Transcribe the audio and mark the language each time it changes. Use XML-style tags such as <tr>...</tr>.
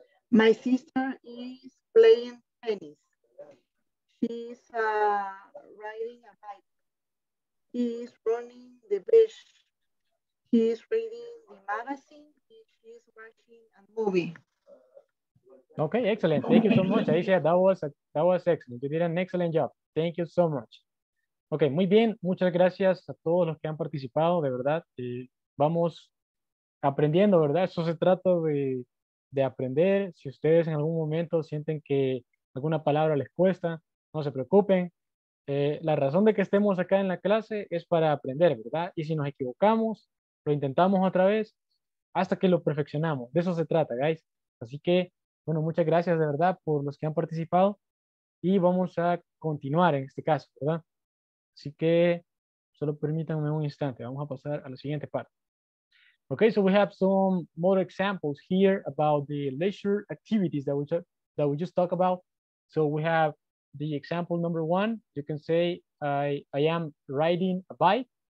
<en>My sister is playing tennis. She's riding a bike. He is running the beach. He is reading the magazine. She is watching a movie. Okay, excellent. Thank you so much, Aisha. That was excellent. You did an excellent job. Thank you so much.</en> <es>Ok, muy bien. Muchas gracias a todos los que han participado, de verdad. Vamos aprendiendo, ¿verdad? Eso se trata de aprender. Si ustedes en algún momento sienten que alguna palabra les cuesta, no se preocupen. La razón de que estemos acá en la clase es para aprender, ¿verdad? Y si nos equivocamos, lo intentamos otra vez hasta que lo perfeccionamos. De eso se trata, guys. Así que, bueno, muchas gracias de verdad por los que han participado y vamos a continuar en este caso, ¿verdad? Así que solo permítanme un instante. Vamos a pasar a la siguiente parte.</es> <en>Okay, so we have some more examples here about the leisure activities that we just talked about. So we have the example number one. You can say, I am riding a bike.</en>